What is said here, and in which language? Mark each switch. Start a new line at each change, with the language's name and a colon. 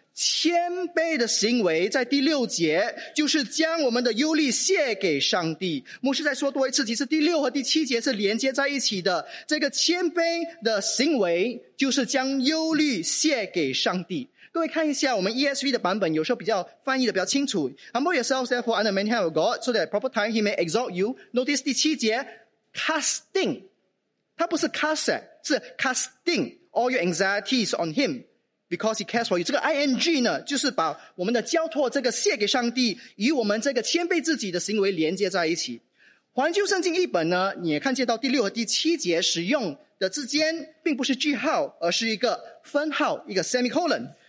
Chinese: 谦卑的行为在第六节就是将我们的忧虑卸给上帝。牧师再说多一次，其实第六和第七节是连接在一起的，这个谦卑的行为就是将忧虑卸给上帝。各位看一下我们 ESV 的版本，有时候比较翻译的比较清楚。
English: Humble yourself therefore under the mighty hand of God, so that at proper time he may exalt you. Notice
Chinese: 第七节 casting, 它不是 cast, 是
English: casting all your anxieties on him because he cares for you.
Chinese: 这个 ing 呢，就是把我们的交托这个卸给上帝，与我们这个谦卑自己的行为连接在一起。环球圣经译本呢，你也看见到第六和第七节使用的之间并不是句号，而是一个分号，一个 semicolon。